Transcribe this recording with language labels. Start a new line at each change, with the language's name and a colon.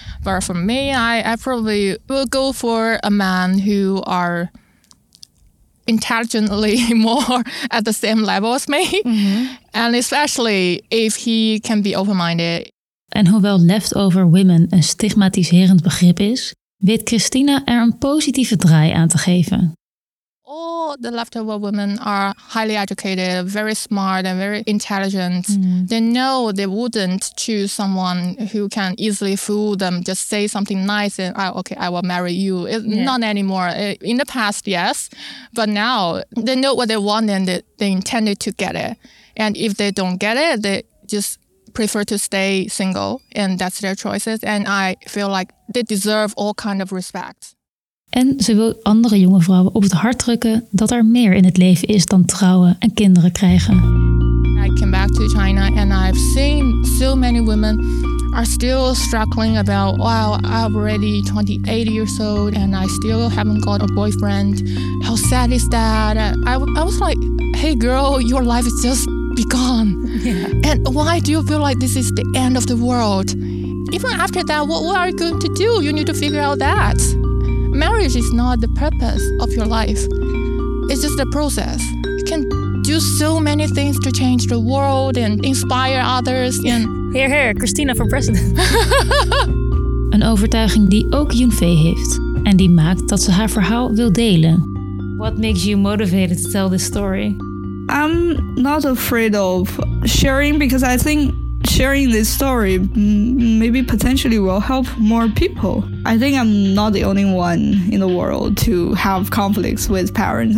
English: But for me, I probably will go for a man who are intelligently more at the same level as me. Mm-hmm. And especially if he can be open-minded.
Dutch: En hoewel leftover women een stigmatiserend begrip is, weet Christina er een positieve draai aan te geven.
English: All the leftover women are highly educated, very smart and very intelligent. Mm. They know they wouldn't choose someone who can easily fool them, just say something nice and, oh, okay, I will marry you. It, yeah. Not anymore. In the past, yes. But now, they know what they want and they intended to get it. And if they don't get it, they just prefer to stay single. And that's their choices. And I feel like they deserve all kind of respect.
Dutch: En ze wil andere jonge vrouwen op het hart drukken dat er meer in het leven is dan trouwen en kinderen krijgen.
English: I came back to China and I've seen so many women are still struggling about, wow, I'm already 28 years old and I still haven't got a boyfriend. How sad is that? I was like, hey girl, your life is just begun. Yeah. And why do you feel like this is the end of the world? Even after that, what are you going to do? You need to figure out that. Marriage is not the purpose of your life. It's just a process. You can do so many things to change the world and inspire others. And hear, hear, Christina for president.
Dutch: Een overtuiging die ook Yunfei heeft. En die maakt dat ze haar verhaal wil delen.
English: What makes you motivated to tell this story? I'm not afraid of sharing because I think sharing this story maybe potentially will help more people. I think I'm not the only one in the world to have conflicts with parents.